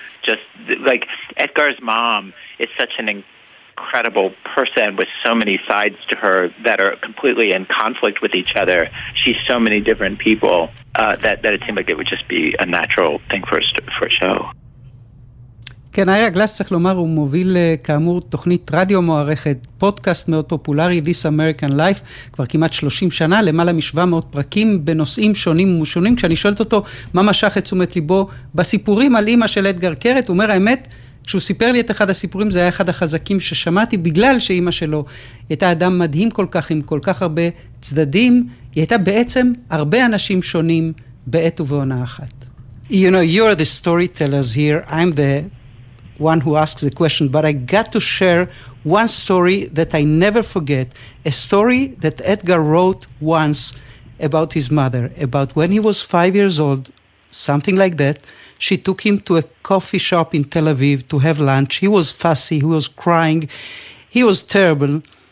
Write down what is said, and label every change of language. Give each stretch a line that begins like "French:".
English: Just like Edgar's mom is such an incredible person with so many sides to her that are completely in conflict with each other. She's so many different people that it seemed like it would just be a natural thing for a show.
Hebrew: כן, אירה גלס, צריך לומר, הוא מוביל כאמור תוכנית רדיו מוערכת, פודקאסט מאוד פופולרי, This American Life, כבר כמעט 30 שנה, למעלה מ-700 פרקים בנושאים שונים ומשונים. כשאני שואלת אותו מה משך את תשומת ליבו בסיפורים על אימא של אדגר קרת, הוא אומר, האמת, כשהוא סיפר לי את אחד הסיפורים, זה היה אחד החזקים ששמעתי, בגלל שאימא שלו הייתה אדם מדהים כל כך, עם כל כך הרבה צדדים, היא הייתה בעצם הרבה אנשים שונים בעת ובעונה אחת.
English: You know, you're the storytellers here. I'm the one who asks the question, but I got to share one story that I never forget, a story that Edgar wrote once about his mother, about when he was 5 years old, something like that. She took him to a coffee shop in Tel Aviv to have lunch. He was fussy. He was crying. He was terrible.